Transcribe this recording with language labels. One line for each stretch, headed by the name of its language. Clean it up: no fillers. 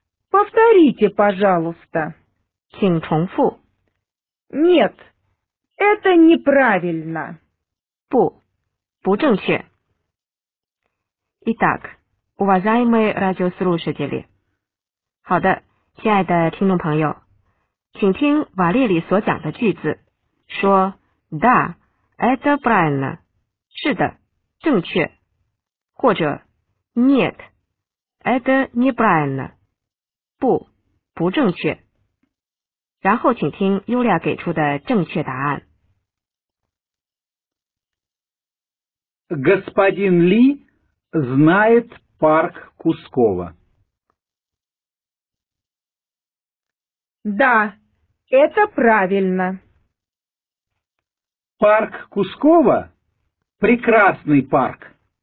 Russian: Повторите, пожалуйста.
Chinese: 请重复。
Russian: Нет, это неправильно.
Chinese: 不，不正确。
Russian: Итак, уважаемые радиослушатели.
Chinese: 好的，亲爱的听众朋友，请听瓦列里所讲的句子，说
Russian: Да, это правильно.
Chinese: 是的，正确。或者
Russian: Нет, это неправильно.
Chinese: 不，不正确。然后请听尤利亚给出的正确答案。
Russian: Господин Ли знает парк Кускова. Да, это правильно. Парк Кускова – прекрасный парк.